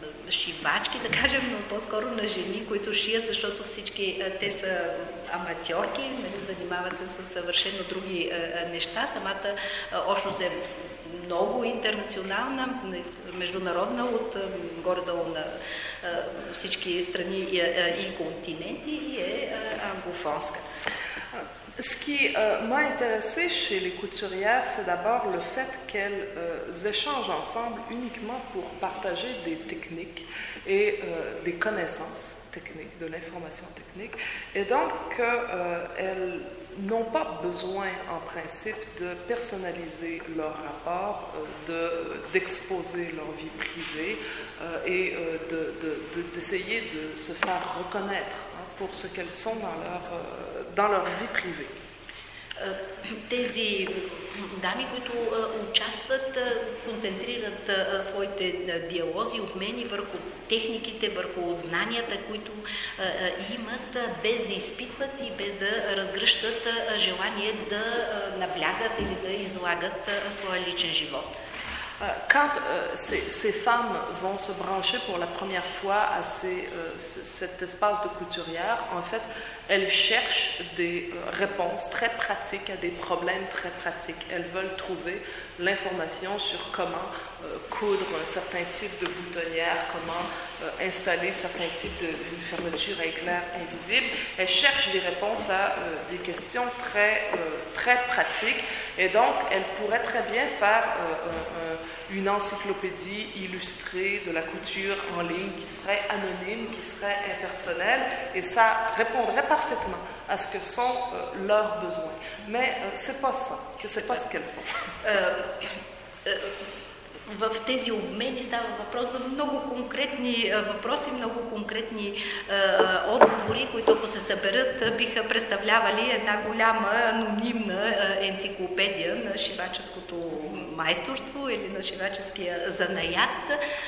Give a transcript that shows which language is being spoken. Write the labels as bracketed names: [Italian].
[Bulgarian] шивачки, да кажем, но по-скоро на жени, които шият, защото всички те са аматьорки, занимават се със съвършено други неща. Самата общност е много интернационална, международна от горе-долу на всички страни и континенти и е англофонска. [French] Ce qui m'a intéressée chez les couturières, c'est d'abord le fait qu'elles échangent ensemble uniquement pour partager des techniques et des connaissances techniques, de l'information technique. Et donc, elles n'ont pas besoin, en principe, de personnaliser leur rapport, d'exposer leur vie privée et d'essayer de se faire reconnaître hein, pour ce qu'elles sont dans leur vie privée. [Bulgarian] Тези дами, които участват, концентрират своите диалози от мен и върху техниките, върху знанията, които имат, без да изпитват и без да разгръщат желание да наблягат или да излагат своя личен живот. [French] Quand ces femmes vont se brancher pour la première fois à cet espace de couturière, en fait, elles cherchent des réponses très pratiques à des problèmes très pratiques. Elles veulent trouver l'information sur comment coudre certains types de boutonnières, comment installer certains types d'une fermeture à éclair invisible. Elles cherchent des réponses à des questions très, très pratiques. Et donc, elles pourraient très bien faire une encyclopédie illustrée de la couture en ligne qui serait anonyme, qui serait impersonnelle, et ça répondrait parfaitement à ce que sont leurs besoins. Mais c'est pas ça, c'est pas ce qu'elles font. [Bulgarian] В тези обмени става въпрос за много конкретни въпроси, много конкретни отговори, които ако се съберат, биха представлявали една голяма анонимна енциклопедия на шиваческото майсторство или на шиваческия занаят.